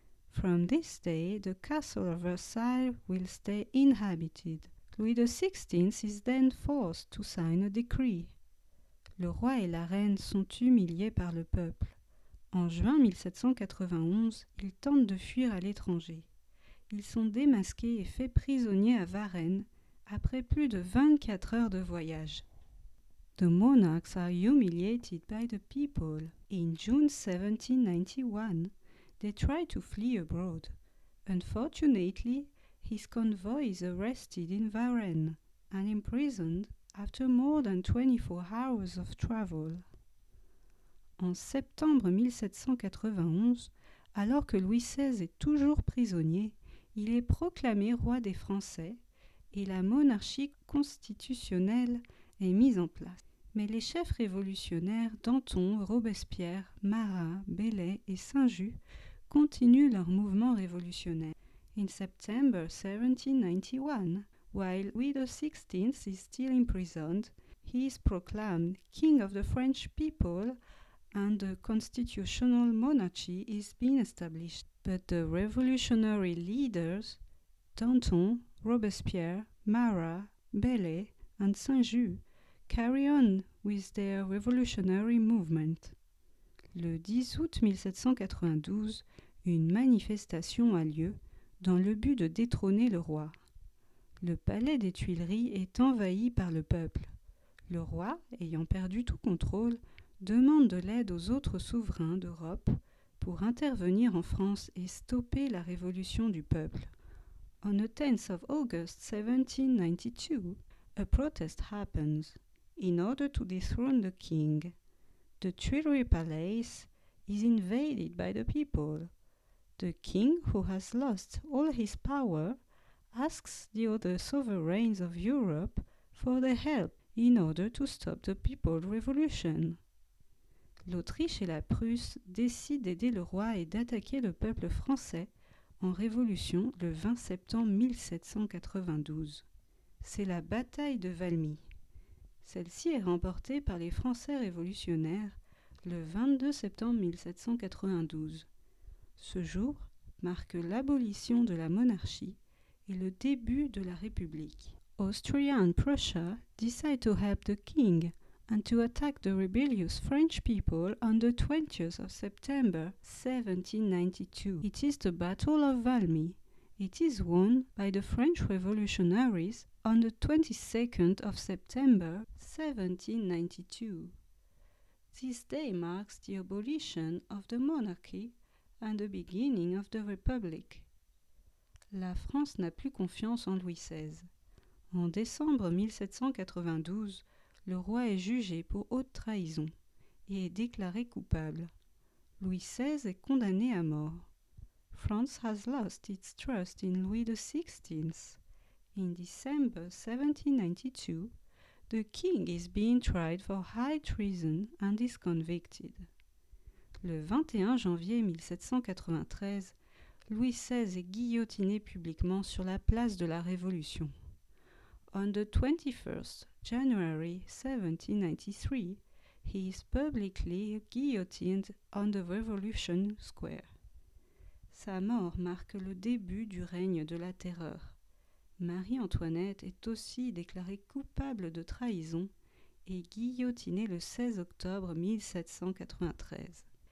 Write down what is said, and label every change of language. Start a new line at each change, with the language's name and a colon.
English: From this day, the castle of Versailles will stay inhabited. Louis XVI is then forced to sign a decree.
French: Le roi et la reine sont humiliés par le peuple. En juin 1791, ils tentent de fuir à l'étranger. Ils sont démasqués et faits prisonniers à Varennes après plus de 24 heures de voyage.
English: The monarchs are humiliated by the people. In June 1791, they try to flee abroad. Unfortunately, his convoy is arrested in Varennes and imprisoned after more than 24 hours of travel.
French: En septembre 1791, alors que Louis XVI est toujours prisonnier, il est proclamé roi des Français et la monarchie constitutionnelle est mise en place. Mais les chefs révolutionnaires Danton, Robespierre, Marat, Bellay et Saint-Just continuent leur mouvement révolutionnaire.
English: In September 1791, while Louis XVI is still imprisoned, he is proclaimed King of the French people and a constitutional monarchy is being established. But the revolutionary leaders, Danton, Robespierre, Marat, Bellay, and Saint-Just, carry on with their revolutionary movement.
French: Le 10 août 1792, une manifestation a lieu dans le but de détrôner le roi. Le palais des Tuileries est envahi par le peuple. Le roi, ayant perdu tout contrôle, demande de l'aide aux autres souverains d'Europe pour intervenir en France et stopper la révolution du peuple.
English: On the 10th of August 1792, a protest happens in order to dethrone the king. The Tuileries Palace is invaded by the people. The king, who has lost all his power, asks the other sovereigns of Europe for their help in order to stop the people's revolution.
French: L'Autriche et la Prusse décident d'aider le roi et d'attaquer le peuple français en révolution le 20 septembre 1792. C'est la bataille de Valmy. Celle-ci est remportée par les Français révolutionnaires le 22 septembre 1792. Ce jour marque l'abolition de la monarchie et le début de la République.
English: Austria and Prussia decide to help the king and to attack the rebellious French people on the 20th of September 1792. It is the Battle of Valmy. It is won by the French revolutionaries on the 22nd of September 1792. This day marks the abolition of the monarchy and the beginning of the Republic.
French: La France n'a plus confiance en Louis XVI. En décembre 1792, le roi est jugé pour haute trahison et est déclaré coupable. Louis XVI est condamné à mort.
English: France has lost its trust in Louis XVI. In December 1792, the king is being tried for high treason and is convicted.
French: Le 21 janvier 1793, Louis XVI est guillotiné publiquement sur la place de la Révolution.
English: On the 21st January 1793, he is publicly guillotined on the Revolution Square.
French: Sa mort marque le début du règne de la terreur. Marie-Antoinette est aussi déclarée coupable de trahison et guillotinée le 16 octobre 1793.